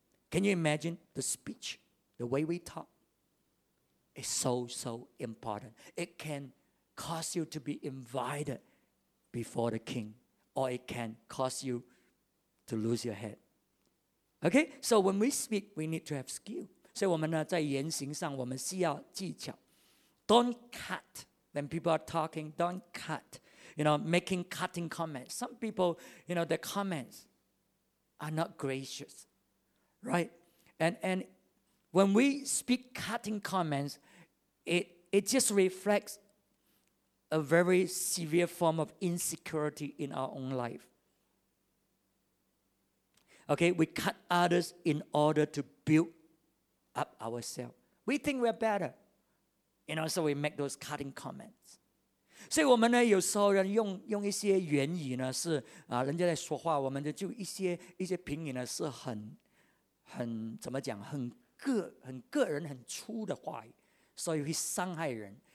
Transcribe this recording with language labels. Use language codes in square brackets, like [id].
[en] Can you imagine the speech? The way we talk is so, so important. It can cause you to be invited before the king, or it can cause you to lose your head. Okay? So when we speak, we need to have skill. [zh] 所以我们呢，在言行上，我们需要技巧。 [en] Don't cut. When people are talking, don't cut. You know, making cutting comments. Some people, you know, their comments are not gracious. Right? And when we speak cutting comments, it just reflects a very severe form of insecurity in our own life. Okay, we cut others in order to build up ourselves. We think we're better. You know, so we make those cutting comments. [zh] 所以我们呢，有时候用一些原语呢，是人家在说话，我们就一些评语呢，是很怎么讲，很个人很粗的话语，所以会伤害人。